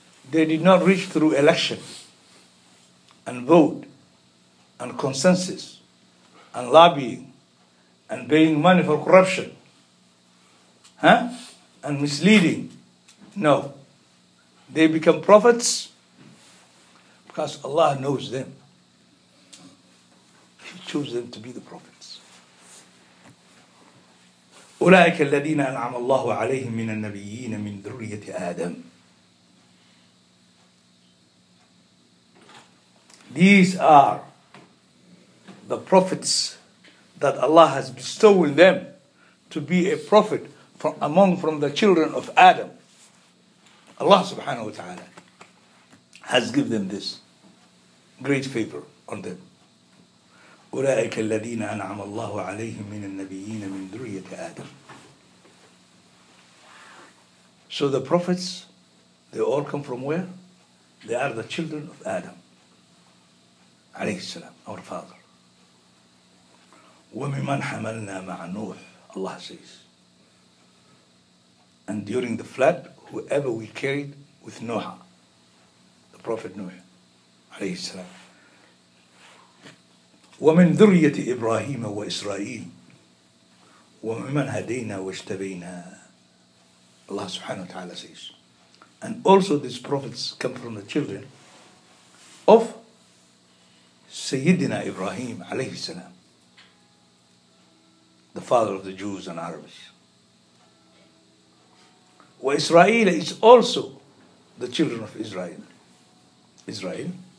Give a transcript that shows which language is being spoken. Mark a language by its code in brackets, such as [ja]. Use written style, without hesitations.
[en] They did not reach through election and vote and consensus and lobbying and paying money for corruption, and misleading. No, they become prophets because Allah knows them. He chose them to be the prophets. [ar] أولئك الذين أنعم الله عليهم من النبيين من ذرية آدم. [en] These are the prophets that Allah has bestowed them to be a prophet from the children of Adam. Allah subhanahu wa ta'ala has given them this great favor on them. [ar] أولئك الذين أنعم الله عليهم من النبيين من ذرية آدم. [en] So the prophets, they all come from where? They are the children of Adam, [ar] عليه السلام, [en] our father. [ar] وَمِمَنْ حَمَلْنَا مَعَ نُوحٍ, [en] Allah says. And during the flood, whoever we carried with Noah, the prophet Noah, [ar] عليه السلام. وَمِنْ ذُرِّيَّةِ إِبْرَاهِيمَ وَإِسْرَائِيلَ وَمِمَنْ هَدَيْنَا وَاجْتَبَيْنَا, Allah subhanahu wa ta'ala [en] says. And also these prophets come from the children of Sayyidina Ibrahim alayhi salam, the father of the Jews and Arabs. Wa Israel is also the children of Israel. Israel.